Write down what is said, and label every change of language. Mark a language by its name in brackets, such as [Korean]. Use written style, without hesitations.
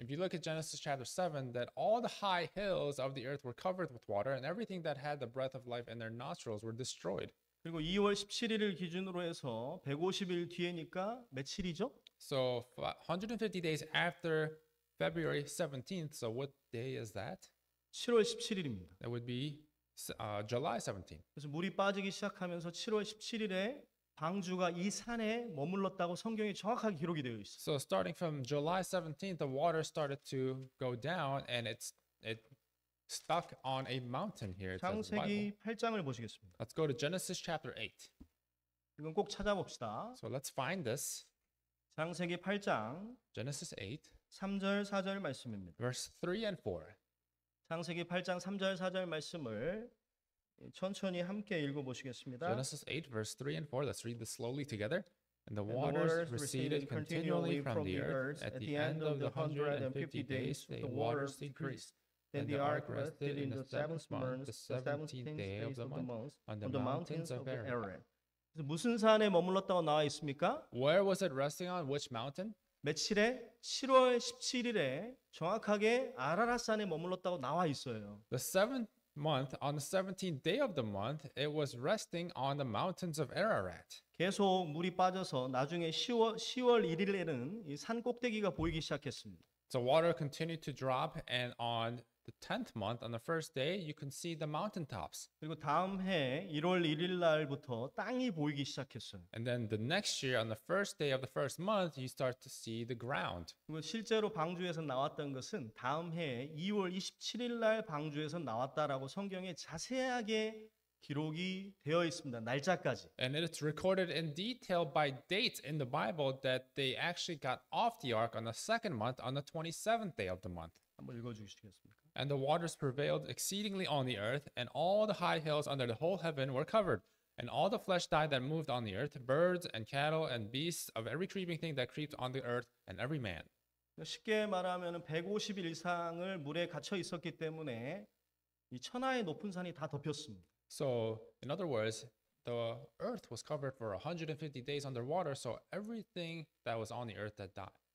[English] If you look at Genesis chapter 7, that all the high hills of the earth were covered with water, and everything that had the breath of life in their nostrils were destroyed. [Korean] 그리고 2월 17일을 기준으로 해서 150일 뒤에니까 며칠이죠? [English] So 150 days after February 17th, so what day is that? [Korean] 7월 17일입니다. [English] That would be July 17th. [Korean] 그래서 물이 빠지기 시작하면서 7월 17일에 방주가 이 산에 머물렀다고 성경에 정확하게 기록이 되어 있어요. [English] So starting from July 17th, the water started to go down and it stuck on a mountain here. [Korean] 창세기 8장을 보시겠습니다. [English] Let's go to Genesis chapter 8. [Korean] 이건 꼭 찾아봅시다. [English] So let's find this. [Korean] 창세기 8장 [English] Genesis 8 [Korean] 3절 4절 말씀입니다. [English] Verse 3 and 4. [Korean] 창세기 8장 3절 4절 말씀을 천천히 함께 읽어 보시겠습니다. [English] Genesis 8 verse 3 and 4. Let's read this slowly together. And the waters receded continually from the earth. At the end of the 150 days, the waters decreased. Then the ark rested in the seventh month, the 17th day of the month, on the mountains of Ararat. [Korean] 무슨 산에 머물렀다고 나와 있습니까? [English] Where was it resting on? Which mountain? [Korean] 며칠에 7월 17일에 정확하게 아라랏 산에 머물렀다고 나와 있어요. [English] The seventh month on the 17th day of the month it was resting on the mountains of Ararat. [Korean] 계속 물이 빠져서 나중에 10월 1일에는 이 산 꼭대기가 보이기 시작했습니다. [English] So water continued to drop and on the 10th month on the first day you can see the mountain tops. [Korean] 그리고 다음 해 1월 1일 날부터 땅이 보이기 시작했어요. [English] And then the next year on the first day of the first month you start to see the ground. [Korean] 그리고 실제로 방주에서 나왔던 것은 다음 해 2월 27일 날 방주에서 나왔다라고 성경에 자세하게 기록이 되어 있습니다. 날짜까지. [English] And it's recorded in detail by date in the Bible that they actually got off the ark on the second month on the 27th day of the month. [Korean] 한번 읽어 주시겠습니까? [English] And the waters prevailed exceedingly on the earth, and all the high hills under the whole heaven were covered. And all the flesh died that moved on the earth, birds and cattle and beasts of every creeping thing that creeps on the earth, and every man. [Korean] 쉽게 말하면 150일 이상을 물에 갇혀 있었기 때문에 이 천하의 높은 산이 다 덮였습니다. [English] So, in other words, the earth was covered for 150 days underwater, so everything that was on the earth that died.